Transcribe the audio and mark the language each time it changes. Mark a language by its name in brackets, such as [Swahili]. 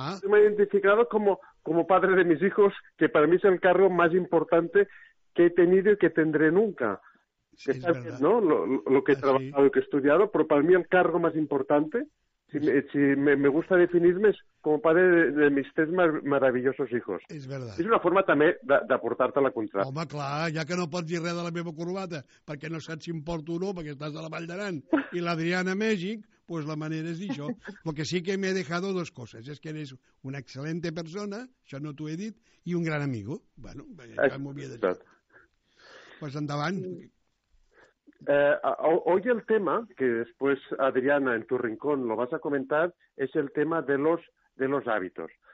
[Spanish] Me he identificado como padre de mis hijos, que para mí es el cargo más importante que he tenido y que tendré nunca. Sí, que es sabes, verdad. ¿No? Lo que he trabajado y que he estudiado, pero para mí el cargo más importante, si me gusta definirme, es como padre de mis tres maravillosos hijos. Es verdad. Es una forma también de aportarte a la contra. [Catalan] Home, clar, ja que no pots dir res de la meva corbata, perquè no saps si em porto o no, perquè estàs a la Vall d'Aran, i l'Adriana Mèxic, pues la manera és dir això. [Spanish] Porque sí que me he dejado dos cosas. Es que eres una excelente persona, [Catalan] això no t'ho he dit, i [Spanish] un gran amigo. [Catalan] Bueno, ja m'ho havia deixat. Pues endavant. [Spanish] Hoy el tema, que después Adriana en tu rincón lo vas a comentar, es el tema de los hábitos.